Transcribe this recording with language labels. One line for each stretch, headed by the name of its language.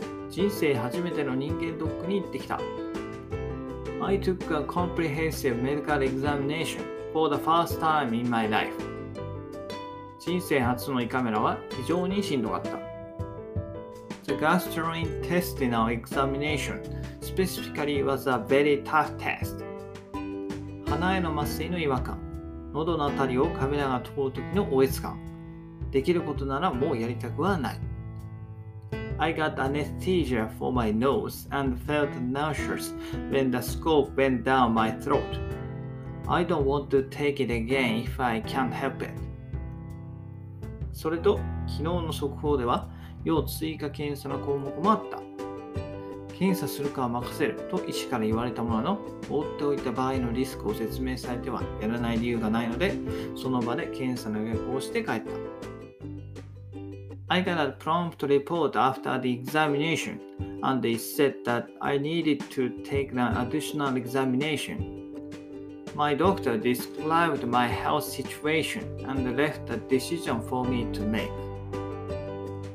Japanese: 人生初めての人間ドックに行ってきた。
English: I took a comprehensive medical examination for the first time in my life.
Japanese: 人生初の胃カメラは非常にしんどかった。
English: The gastrointestinal examination specifically was a very tough test.
Japanese: 鼻への麻酔の違和感、喉のあたりをカメラが通るときの嗚咽感、できることならもうやりたくはない。
English: I got anesthesia for my nose and felt nauseous when the scope went down my throat. I don't want to take it again if I can't help it.
Japanese: それと、昨日の速報では、要追加検査の項目もあった。検査するかは任せると医師から言われたものの、放っておいた場合のリスクを説明されてはやらない理由がないので、その場で検査の予約をして帰った。
English: I got a prompt report after the examination, and they said that I needed to take an additional examination. My doctor described my health situation and left a decision for me to make.